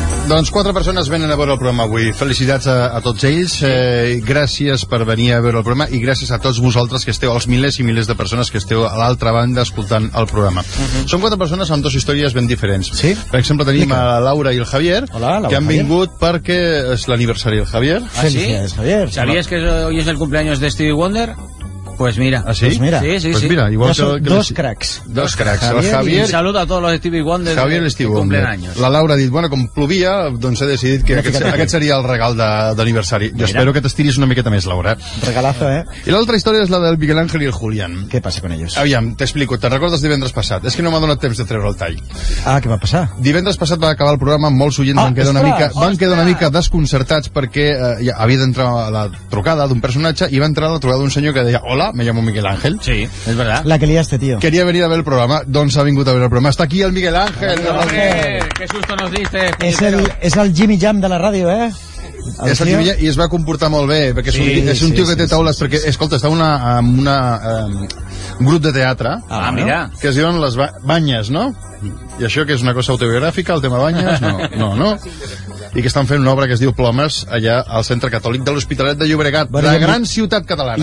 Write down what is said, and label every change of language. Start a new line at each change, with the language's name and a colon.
Catalan: Doncs quatre persones venen a veure el programa avui. Felicitats a tots ells, gràcies per venir a veure el programa i gràcies a tots vosaltres que esteu, als milers i milers de persones que esteu a l'altra banda escoltant el programa. Són quatre persones amb dues històries ben diferents. Sí? Per exemple, tenim a la Laura i el Javier. Hola, Laura, que han vingut Javier. Perquè és l'aniversari del Javier. Ah, sí?
Spanish: Sabies que hoy es el cumpleaños de Stevie Wonder? Pues mira. ¿Ah, sí? Pues mira. Sí, sí, pues mira, igual que dos cracks. Dos cracks. Javier, un saludo a todos los Stevie Wonder. Javier y
Catalan: Stevie Wonder. La Laura ha dit, bueno, com plovia, doncs he decidit que aquest seria el regal d'aniversari. Jo espero que t'estiris una miqueta més, Laura.
Spanish: Regalazo, eh?
Catalan: I l'altra història és la del Miguel Ángel i el Julián. Què passa
Spanish: con ellos?
Catalan: Aviam, t'explico. Te'n recordes divendres passat? És que no m'ha donat temps de treure el tall. Ah, què va passar? Divendres passat va acabar el programa, molts oients van quedar una mica desconcertats perquè havia d'entrar la trucada d'un personatge i va entrar la trucada d'un senyor que deia,
Spanish: hola, me llamo Miguel Ángel. Sí, es verdad. La que liaste, tío. Quería venir a ver el programa.
Catalan: Doncs ha vingut a ver el programa.
Spanish: Está aquí el Miguel Ángel. ¡Qué susto nos diste!
Catalan: Es el Jimmy Jam de la ràdio, eh? El tio, i es va comportar molt bé perquè és un tio que té taules perquè, escolta, està en un grup de teatre que es diuen les banyes, no? I això que és una cosa autobiogràfica, el tema banyes, no i que estan fent una obra que es diu Plomes allà al Centre Catòlic de l'Hospitalet de Llobregat, bueno, la gran ciutat catalana,